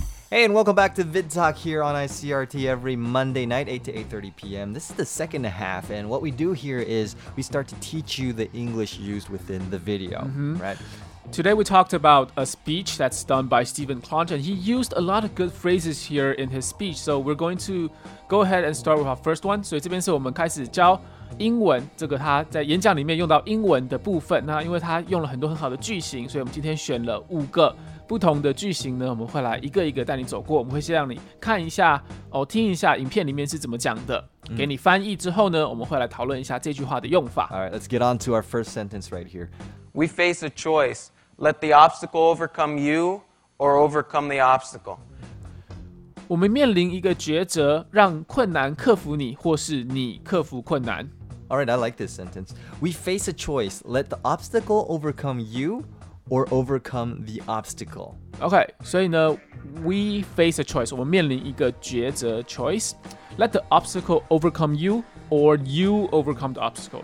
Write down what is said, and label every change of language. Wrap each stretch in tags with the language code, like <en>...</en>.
<en>Hey, and welcome back to VidTalk here on ICRT every Monday night, 8 to 8:30 p.m. This is the second half, and what we do here is we start to teach you the English used within the video, right? Today we talked about a speech that's done by Stephen Clunch, and he used a lot of good phrases here in his speech. So we're going to go ahead and start with our first one.</en> <zh>So 这边是我们开始教 英文这个他在演讲里面用到英文的部分，那因为他用了很多很好的句型，所以我们今天选了五个不同的句型呢，我们会来一个一个带你走过。我们会先让你看一下，哦，听一下影片里面是怎么讲的，给你翻译之后呢，我们会来讨论一下这句话的用法。</zh> <en>All right, let's get on to our first sentence right here. We face a choice. Let the obstacle overcome you or overcome the obstacle.</en> <zh>我们面临一个抉择，让困难克服你，或是你克服困难。</zh> <en>All right, I like this sentence. We face a choice. Let the obstacle overcome you or overcome the obstacle. Okay,</en> <zh>所以呢,</zh> <en>we face a choice.</en> <zh>我们面临一个抉择</zh> <en>choice. Let the obstacle overcome you, or you overcome the obstacle.</en>